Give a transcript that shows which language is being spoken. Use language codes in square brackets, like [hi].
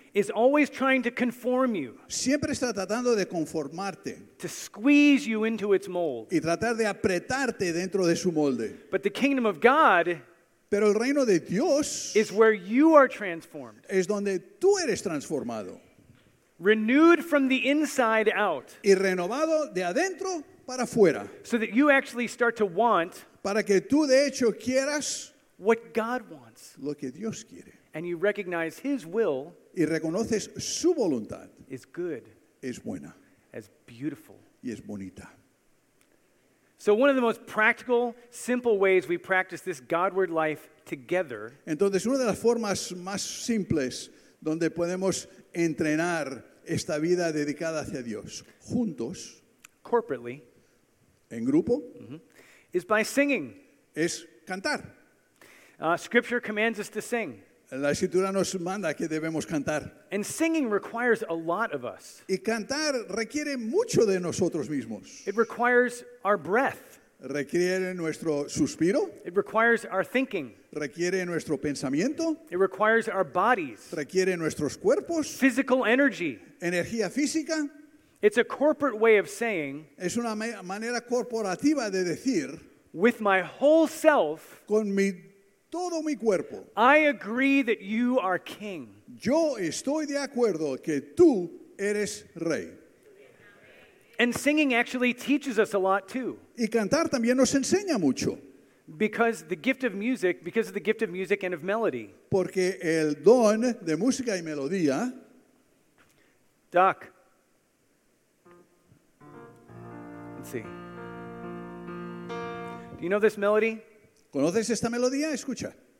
[en] is always trying to conform you. [es] Siempre está tratando de conformarte. [en] To squeeze you into its mold. [es] Y tratar de apretarte dentro de su molde. [en] But the kingdom of God, [es] pero el reino de Dios, [en] is where you are transformed. [es] Es donde tú eres transformado. [en] Renewed from the inside out. [es] Y renovado de adentro para afuera. [en] So that you actually start to want, [es] para que tú de hecho quieras, [en] what God wants. [es] Lo que Dios quiere. [en] And you recognize his will. [es] Y reconoces su voluntad. [en] Is good. [es] Es buena. [en] As beautiful. [es] Y es bonita. [en] So one of the most practical, simple ways we practice this Godward life together. [es] Entonces una de las formas más simples donde podemos entrenar esta vida dedicada hacia Dios juntos. [en] Corporately. [es] En grupo. [en] Mm-hmm. Is by singing. [es] Es cantar. [en] Scripture commands us to sing. [es] La escritura nos manda que debemos cantar. [en] And singing requires a lot of us. [es] Y cantar requiere mucho de nosotros mismos. [en] It requires our breath. [es] Requiere nuestro suspiro. [en] It requires our thinking. [es] Requiere nuestro pensamiento. [en] It requires our bodies. [es] Requiere nuestros cuerpos. [en] Physical energy. [es] Energía física. [en] It's a corporate way of saying. [es] Es una manera corporativa de decir. [en] With my whole self. [es] Con mi todo mi cuerpo. [en] I agree that you are king. [es] Yo estoy de acuerdo que tú eres rey. [en] And singing actually teaches us a lot too. [es] Y cantar también nos enseña mucho. [en] Because of the gift of music and of melody. [es] Porque el don de música y melodía. Doc. [en] Let's see. Do you know this melody? [es] ¿Conoces esta melodía? Escucha.